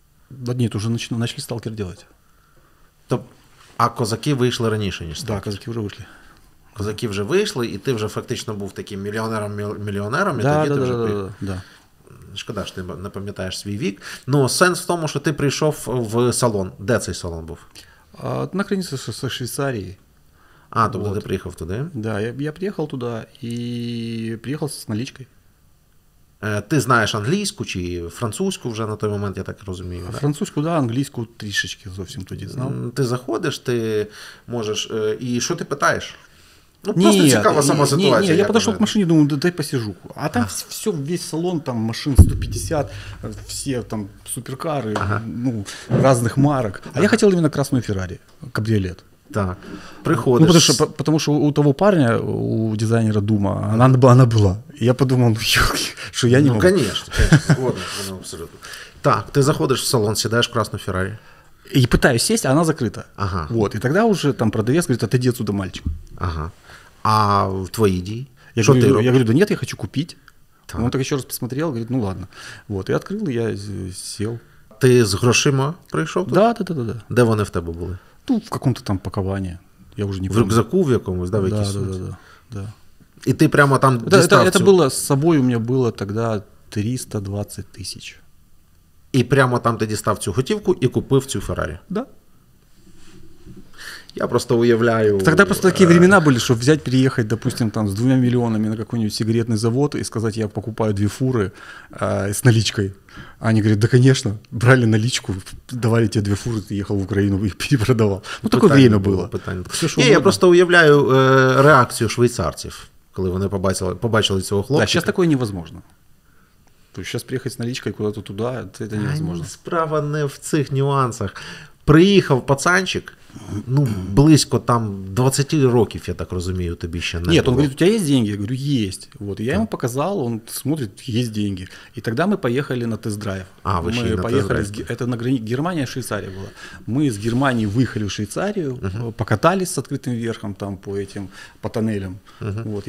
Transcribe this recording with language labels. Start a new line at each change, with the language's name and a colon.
Russian: Да нет, уже начали сталкер делать.
Ukrainian: А козаки вийшли раніше, ніж сталкер? Так, козаки вже вийшли. Козаки вже вийшли, і ти вже фактично був таким мільйонером-мільйонером, і тоді ти вже прийшов. Да. Шкода, що ти не пам'ятаєш свій вік. Ну, сенс в тому, що ти прийшов в салон. Де цей салон був? На границі з Швейцарії. А, тобто ти приїхав туди? Да, я приїхав туди і приїхав з налічкою. Ти знаєш англійську чи французьку вже на той момент, я так розумію? Да? Французьку, так, да, англійську трішечки зовсім тоді знав. Ти заходиш, ти можеш, і що ти питаєш? Ну, ні, просто цікава сама ситуація. Ні, я підійшов к машині, думаю, дай посижу. А там все, весь салон, там машин 150, всі там суперкари, ну, різних марок. А я хотів іменно красну Феррарі, кабріолет. Так, приходиш.
Russian: Ну, потому что у того парня, у дизайнера Дума, она была. И я подумал, ну, ёлки, что я не могу. Ну, конечно, конечно, абсолютно. Так, ты заходишь в салон, сідаєш в красную Феррари. И пытаюсь сесть, а она закрыта. Ага. Вот, и тогда уже там продавец говорит, отойди отсюда, мальчик. Ага. А твои идеи? Я что говорю, ты я говорю, да нет, я хочу купить. Так. Он так еще раз посмотрел, говорит, ну, ладно. Вот, и открыл, и я сел. Ты с грошима пришел? Да, да, да, да, да. Где они в тебе были? Ну, в каком-то там паковании, я уже не
Ukrainian: помню. В рюкзаку в якомусь, да, в якісь? Да, да, да, да.
Russian: И ты прямо там доставил? Это было с собой, у меня было тогда 320 тысяч. И прямо там ты
Ukrainian: достав цю готівку и купив цю Феррари? Да. Я просто уявляю...
Russian: Тогда просто такие времена были, чтобы взять, приехать, допустим, там с 2 миллионами на какой-нибудь сигаретный завод и сказать, я покупаю 2 фуры с наличкой. Они говорят, да, конечно, брали наличку, давали тебе 2 фуры, ты ехал в Украину и перепродавал. Ну, питание такое время было. Питание. Все, что я просто уявляю реакцию швейцарцев, когда они побачили этого хлопчика. Да, сейчас такое невозможно. То есть сейчас приехать с наличкой куда-то туда, это невозможно.
Ukrainian: А, справа не в цих нюансах. Приїхав пацанчик, ну, близько там 20 років, я так розумію, тобі ще не було. Ні, він говорить, у тебе є гроші? Я говорю, є. Вот. Я йому показав, він смотрить, є гроші. І тоді ми поїхали на тест-драйв. А, ви ще на тест-драйв. Це на границі Германія-Швейцарія була. Ми з Германії виїхали в Швейцарію, покатались з відкритим верхом там,
Russian: по этим,
Ukrainian: по тунелям. Вот.